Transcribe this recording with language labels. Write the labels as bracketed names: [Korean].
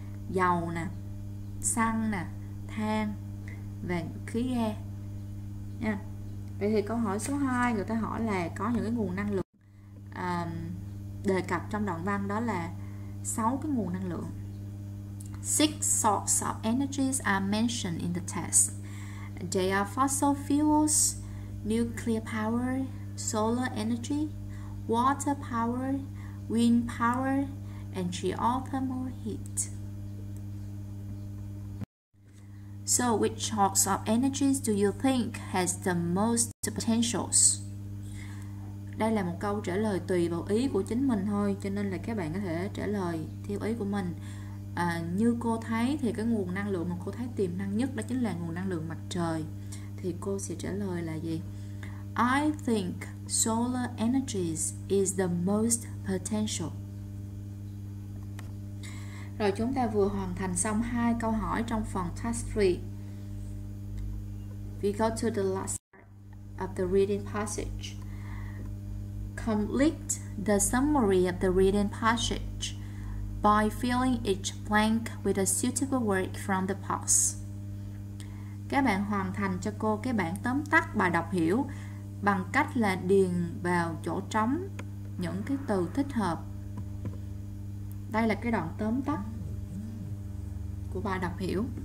[Vietnamese] Dầu nè, xăng nè, than và khí ga. Nha. Vậy thì câu hỏi số 2 người ta hỏi là có những cái nguồn năng lượng đề cập trong đoạn văn đó là 6 cái nguồn năng lượng. [English] Six sources of energies are mentioned in the test. They are fossil fuels, nuclear power, solar energy, water power, wind power, and geothermal heat. So, which source of energies do you think has the most potentials? [Vietnamese] Đây là một câu trả lời tùy vào ý của chính mình thôi, cho nên là các bạn có thể trả lời theo ý của mình. Như cô thấy thì cái nguồn năng lượng mà cô thấy tiềm năng nhất đó chính là nguồn năng lượng mặt trời. Thì cô sẽ trả lời là gì? [English] I think solar energies is the most potential. [Vietnamese] Rồi chúng ta vừa hoàn thành xong hai câu hỏi trong phần task 3. [English] We go to the last part of the reading passage. Complete the summary of the reading passage by filling each blank with a suitable word from the past. [Vietnamese] Các bạn hoàn thành cho cô cái bản tóm tắt bài đọc hiểu bằng cách là điền vào chỗ trống những cái từ thích hợp. Đây là cái đoạn tóm tắt của bài đọc hiểu.